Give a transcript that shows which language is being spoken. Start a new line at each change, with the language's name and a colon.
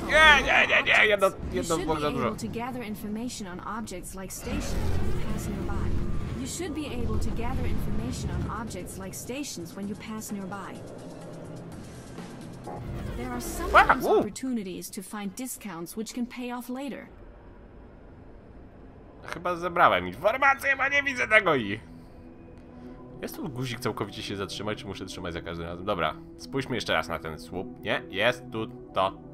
Polish: Nie, nie, nie, nie, jedno w ogóle dużo.
English: To gather information on objects like station passing by. You should be able to gather information on objects like stations when you pass nearby. There are sometimes opportunities to find discounts which can pay off later.
Polish: Chyba zebrałem informacje, bo nie widzę tego i... Jest tu guzik całkowicie się zatrzymać, czy muszę trzymać za każdym razem? Dobra, spójrzmy jeszcze raz na ten słup. Nie, jest tu to.